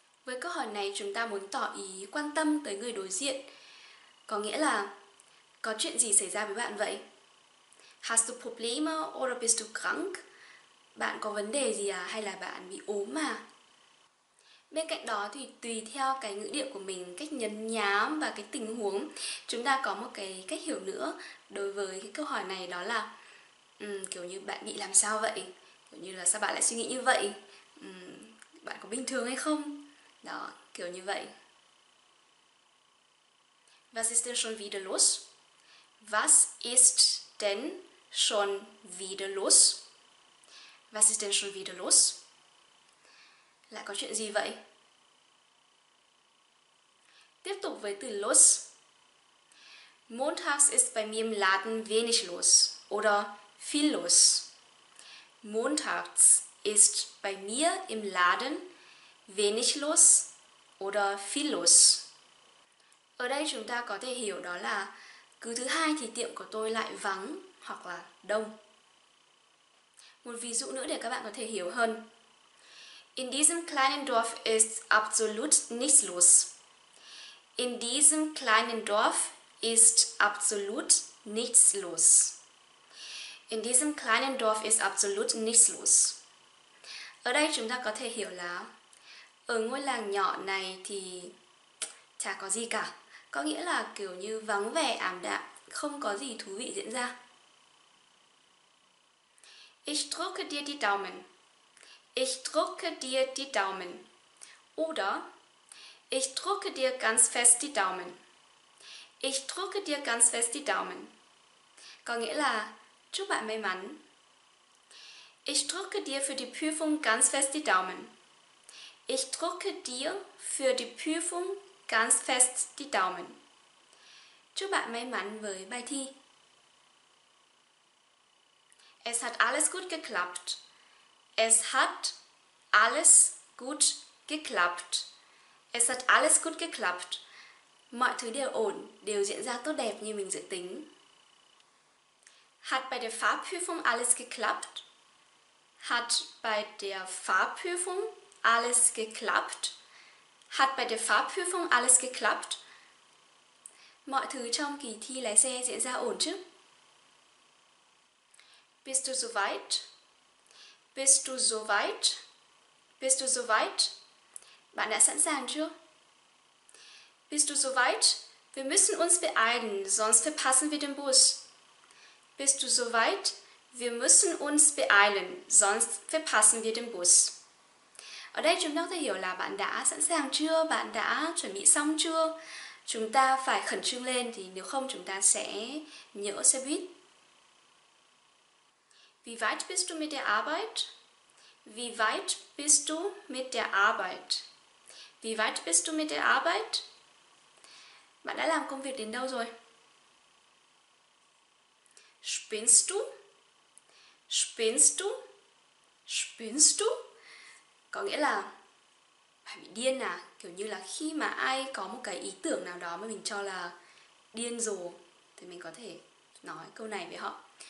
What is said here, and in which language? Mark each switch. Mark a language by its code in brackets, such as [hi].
[vi] Với câu hỏi này chúng ta muốn tỏ ý quan tâm tới người đối diện. Có nghĩa là có chuyện gì xảy ra với bạn vậy? [de] Hast du Probleme oder bist du krank? [vi] Bạn có vấn đề gì à? Hay là bạn bị ốm à? Bên cạnh đó thì tùy theo cái ngữ điệu của mình, cách nhấn nhá và cái tình huống, chúng ta có một cái cách hiểu nữa đối với cái câu hỏi này, đó là kiểu như bạn bị làm sao vậy? Kiểu như là sao bạn lại suy nghĩ như vậy? Bạn có bình thường hay không? Đó, kiểu như vậy. [de] Was ist denn schon wieder los? Was ist denn schon wieder los? Was ist denn schon wieder los? [vi] Lại có chuyện gì vậy? Tiếp tục với từ los. [de] Montags ist bei mir im Laden wenig los oder viel los. Montags ist bei mir im Laden wenig los oder viel los. [vi] Ở đây chúng ta có thể hiểu đó là cứ thứ hai thì tiệm của tôi lại vắng hoặc là đông. Một ví dụ nữa để các bạn có thể hiểu hơn. [de] In diesem kleinen Dorf ist absolut nichts los. In diesem kleinen Dorf ist absolut nichts los. In diesem kleinen Dorf ist absolut nichts los. [vi] Ở đây chúng ta có thể hiểu là ở ngôi làng nhỏ này thì chả có gì cả. Có nghĩa là kiểu như vắng vẻ, ảm đạm, không có gì thú vị diễn ra. [de] Ich drücke dir die Daumen. Ich drücke dir die Daumen. Oder ich drücke dir ganz fest die Daumen. Ich drücke dir ganz fest die Daumen. [vi] Có nghĩa là chúc bạn may mắn. [de] Ich drücke dir für die Prüfung ganz fest die Daumen. Ich drücke dir für die Prüfung ganz fest die Daumen. [vi] Chúc bạn may mắn với bài thi. [de] Es hat alles gut geklappt. Es hat alles gut geklappt. Es hat alles gut geklappt. [vi] Mọi thứ đều ổn, đều diễn ra tốt đẹp như mình dự tính. [de] Hat bei der Fahrprüfung alles geklappt? Hat bei der Fahrprüfung alles geklappt? Hat bei der Fahrprüfung alles geklappt? [vi] Mọi thứ trong kỳ thi lái xe diễn ra ổn chứ? [de] Bist du soweit? Bist du soweit? Bist du soweit? [vi] Bạn đã sẵn sàng chưa? [de] Bist du soweit? Wir müssen uns beeilen, sonst verpassen wir den Bus. Bist du soweit? Wir müssen uns beeilen, sonst verpassen wir den Bus. [vi] Ở đây chúng ta có thể hiểu là bạn đã sẵn sàng chưa? Bạn đã chuẩn bị xong chưa? Chúng ta phải khẩn trương lên thì nếu không chúng ta sẽ nhỡ xe buýt. [de] Wie weit bist du mit der Arbeit? Wie weit bist du mit der Arbeit? Wie weit bist du mit der Arbeit? [vi] Bạn đã làm công việc đến đâu rồi? [de] Spinnst du? Spinnst du? Spinnst du? [vi] Có nghĩa là bạn bị điên à? Kiểu như là khi mà ai có một cái ý tưởng nào đó mà mình cho là điên rồ thì mình có thể nói câu này với họ.